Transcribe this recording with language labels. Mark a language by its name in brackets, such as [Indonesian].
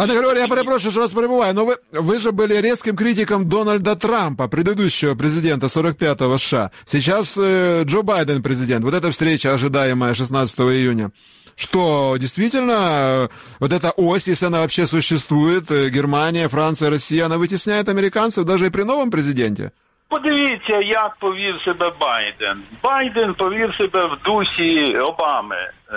[Ukrainian] Пане Григорію, я перепрошую, що вас перебуваю, але ви ж були різким критиком Дональда Трампа, предыдущого президента 45-го США. Зараз Джо Байден президент. [Russian] Вот эта встреча, ожидаемая 16 июня. Что, действительно, вот эта ось, если она вообще существует, Германия, Франция, Россия, она вытесняет американцев даже и при новом президенте? [Ukrainian] Подивіться, як повів себе Байден. Байден повів себе в дусі Обами.